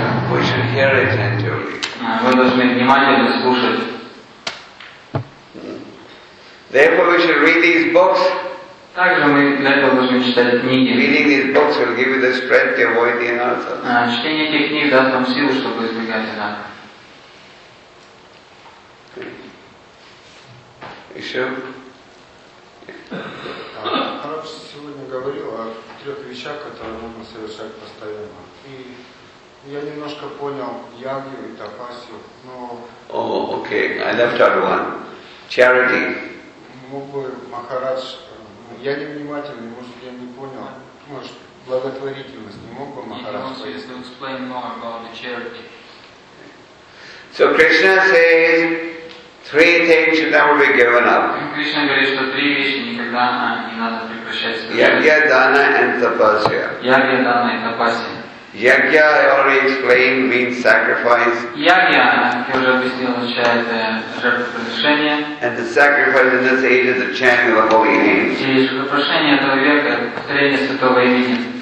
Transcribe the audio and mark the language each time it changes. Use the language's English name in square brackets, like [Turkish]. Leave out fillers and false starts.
[English] We should hear attentively. [Russian] Мы должны внимательно слушать. [English] Therefore, we should read these books. [Russian] Также мы для этого должны читать книги. [English] Reading these books will give you the strength to avoid the anarthas. [Russian] Чтение этих книг даст вам силу, чтобы избегать анарх. Еще? Прабж сегодня говорил о трех вещах, которые нужно совершать постоянно. И я немножко понял ягью и тапасью, но... О, окей, [English] I left out one. Charity. [Russian] Мог бы Махарадж... Я невнимательный, может, я не понял. Может, благотворительность не мог бы Махарадж... [English] He wants to explain more about the charity. So Krishna says... Three things should never be given up. [Russian] Кришна говорит, что три вещи никогда не надо прекращать. Ягья, дана и тапасья. Ягья, дана и тапасья. [English] Ягья, I already explained, means sacrifice. [Russian] Ягья, как я уже объяснил, означает жертвоприношение. [English] And the sacrifice in this age is the chanting of the holy name. [Russian] И жертвоприношение этого века – повторение святого имени.